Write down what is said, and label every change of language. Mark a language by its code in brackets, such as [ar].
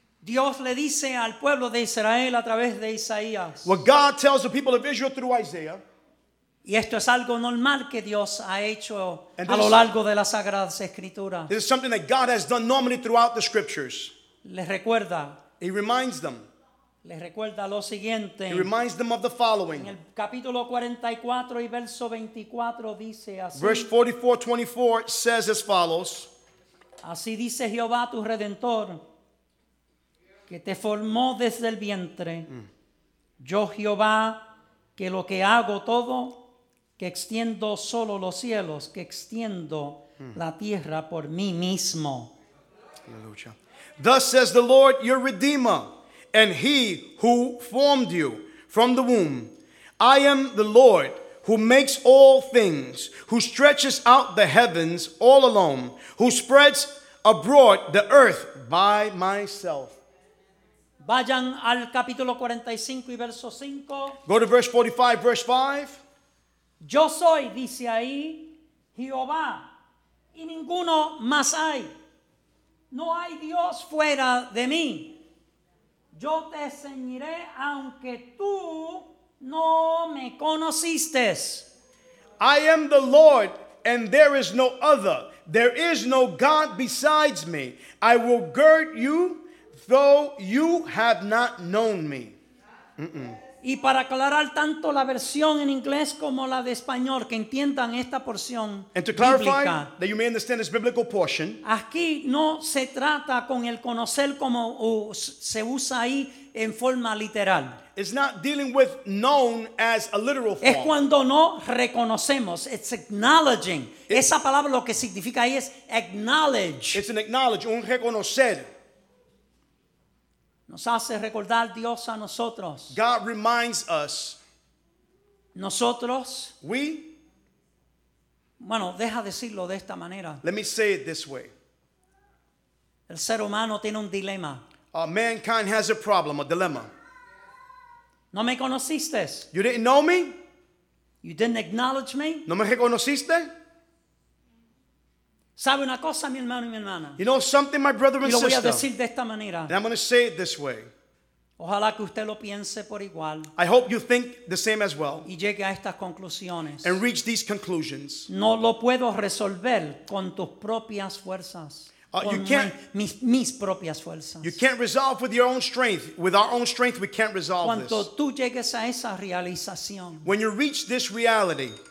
[es] Dios le dice al pueblo de Israel a través de Isaías. [en] What God tells the people of Israel through Isaiah. [es] Y esto es algo normal que Dios ha hecho a lo largo de las Sagradas Escrituras. [en] This is something that God has done normally throughout the Scriptures. [es] Les recuerda. [en] He reminds them. [es] Les recuerda lo siguiente. [en] He reminds them of the following. [es] En el capítulo 44 y verso 24 dice así. [en] Verse 44:24 says as follows. [es] Así dice Jehová tu Redentor. Que te formó desde el vientre. Yo, Jehová, que lo que hago todo, que extiendo solo los cielos, que extiendo la tierra por mí mismo. Aleluya. [en] Thus says the Lord, your Redeemer, and he who formed you from the womb. I am the Lord who makes all things, who stretches out the heavens all alone, who spreads abroad the earth by myself. [es] Vayan al capítulo 45 y verso 5. [en] Go to verse 45, verse 5. [es] Yo soy, dice ahí, Jehová, y ninguno más hay. No hay Dios fuera de mí. Yo te ceñiré aunque tú no me conociste. [en] I am the Lord, and there is no other. There is no God besides me. I will gird you. Though you have not known me. Mm-mm. [es] Y para aclarar tanto la versión en inglés como la de español, que entiendan esta porción bíblica. [en] And to clarify, that you may understand this biblical portion. [es] Aquí no se trata con el conocer como se usa ahí en forma literal. [en] It's not dealing with known as a literal form. [es] Es cuando no reconocemos. [en] It's acknowledging. [es] Esa palabra lo que significa ahí es acknowledge. [en] It's an acknowledge, [es] un reconocer. Nos hace recordar Dios a nosotros. [en] God reminds us. [es] Nosotros. [en] We. [es] Bueno, deja decirlo de esta manera. [en] Let me say it this way. [es] El ser humano tiene un dilema. [en] Mankind has a problem, a dilemma. [es] No me conociste. [en] You didn't know me. You didn't acknowledge me. [es] No me reconociste. Sabe una cosa, mi hermano y mi hermana. [en] You know something, my brother and [es] sister. Y lo voy a decir de esta manera. [en] And I'm going to say it this way. [es] Ojalá que usted lo piense por igual. [en] I hope you think the same as well. [es] Y llegue a estas conclusiones. [en] And reach these conclusions. [es] No lo puedo resolver con tus propias fuerzas. [en] You can't. [es] Mis propias fuerzas. [en] You can't resolve with your own strength. With our own strength, we can't resolve [es] Cuando [en] this. [es] Cuando tú llegues a esa realización. [en] When you reach this reality.